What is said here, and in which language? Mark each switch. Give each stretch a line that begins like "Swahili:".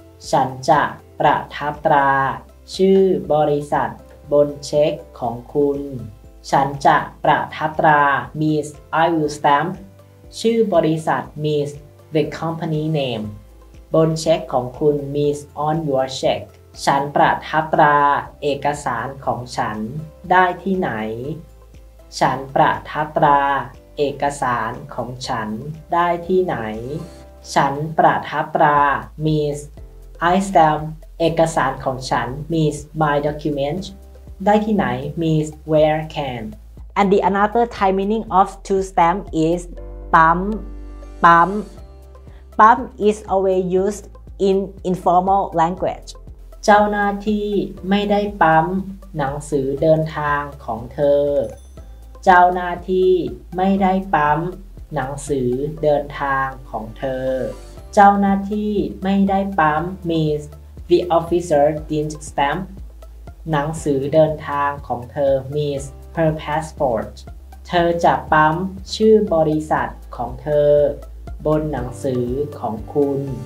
Thai: ฉันจะประทับตราชื่อบริษัทบนเช็คของคุณฉันจะประทับตรา
English: means I will stamp
Thai: ชื่อบริษัท
English: means the company name
Thai: บนเช็คของคุณ
English: means on your check
Thai: ฉันประทับตราเอกสารของฉันได้ที่ไหน ฉันประทับตราเอกสารของฉันได้ที่ไหนฉันประทับตรา
English: means I stamp
Thai: เอกสารของฉัน
English: means my document
Thai: ได้ที่ไหน
English: means where can and the another Thai meaning of to stamp is pam pam pam is always used in informal language
Thai: เจ้าหน้าที่ไม่ได้ปั๊มหนังสือเดินทางของเธอเจ้าหน้าที่ไม่ได้ปั๊มหนังสือเดินทางของเธอเจ้าหน้าที่ไม่ได้ปั๊ม
English: means the officer didn't stamp
Thai: หนังสือเดินทางของเธอ
English: means her passport
Thai: เธอจะปั๊มชื่อบริษัทของเธอบนหนังสือของคุณ